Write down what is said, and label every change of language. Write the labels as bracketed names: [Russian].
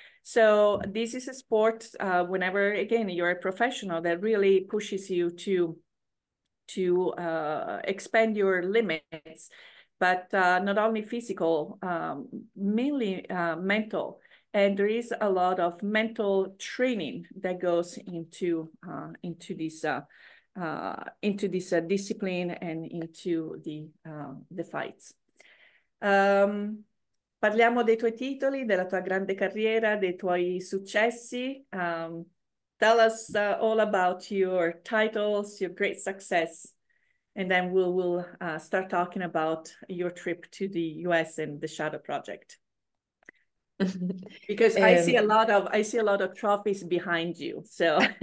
[English] So this is a sport, whenever again you're a professional, that really pushes you to expand your limits, but not only physical, mainly mental. And there is a lot of mental training that goes into this discipline and into the fights. [Italian] Parliamo dei tuoi titoli, della tua grande carriera, dei tuoi successi. [English] Tell us all about your titles, your great success, and then we'll start talking about your trip to the US and the Shadow Project. Because I see a lot of trophies behind you, so.